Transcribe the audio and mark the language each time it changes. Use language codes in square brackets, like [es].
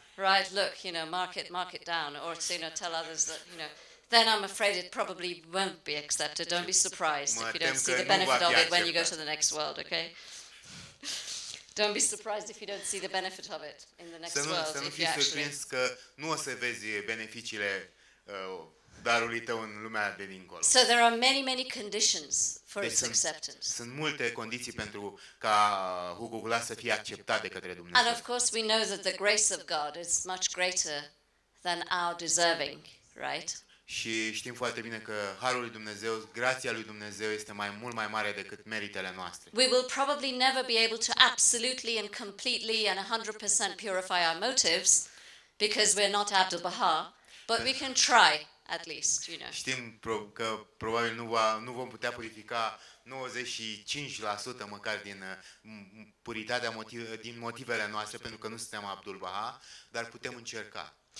[en] Right, look, you know, mark it down, or, you know, tell others that, you know, then I'm afraid it probably won't be accepted. Don't be surprised if you don't see the benefit of it when you go to the next world, okay? Don't be surprised if you don't see the benefit of it in the next world. [ro] Să nu fii surprins că nu o să vezi beneficiile darului tău în lumea de dincolo. [en] So there are many, many conditions for its acceptance. [ro] Sunt multe condiții pentru ca Hukukula să fie acceptat de către Dumnezeu. [en] And of course we know that the grace of God is much greater than our deserving, right? [ro] Și știm foarte bine că harul lui Dumnezeu, grația lui Dumnezeu este mai mult mai mare decât meritele noastre. [en] We will probably never be able to absolutely and completely and 100% purify our motives because we're not Abdul Baha, but we can try at least, you know. [ro] Știm că probabil nu vom putea purifica 95% măcar din puritatea din motivele noastre pentru că nu suntem Abdul Baha, dar putem încerca.